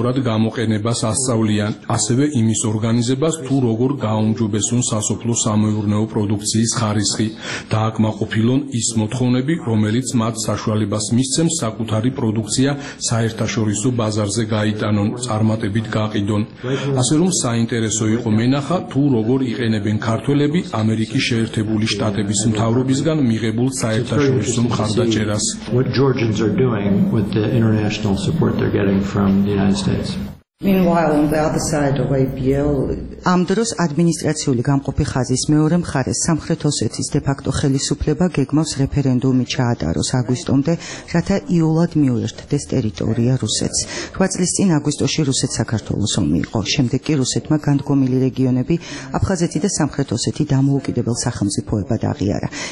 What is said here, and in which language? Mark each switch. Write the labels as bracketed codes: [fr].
[ka] სწორად გამოყენებას ასწავლიან, ასევე იმის ორგანიზებას, თუ როგორ გააუმჯობესონ სასოფლო სამეურნეო პროდუქციის ხარისხი და აკმაყოფილონ ის მოთხოვნები, რომელიც მათ საშუალებას მისცემს საკუთარი პროდუქცია საერთაშორისო ბაზარზე გაიტანონ, წარმატებით გაყიდონ. ასე რომ საინტერესო იყო მენახა, თუ როგორ იყენებენ ქართველები ამერიკის შეერთებული შტატების მთავრობისგან მიღებულ საერთაშორისო მხარდაჭერას. [en] Meanwhile, on the other side of APL, [ka] ამ დროს ადმინისტრაციული გამყოფი ხაზის მეორე მხარეს სამხრეთ ოსეთის დე-ფაქტო ხელისუფლება გეგმავს რეფერენდუმი ჩაატაროს აგვისტომდე, რათა იულად მიუერთდეს ტერიტორია რუსეთს. 8 წლის წინ აგვისტოში რუსეთ საქართველოს ომი იყო. შემდეგ კი რუსეთმა განდგომილი რეგიონები, აფხაზეთი და სამხრეთ ოსეთი დამოუკიდებელ სახელმწიფოებად აღიარა.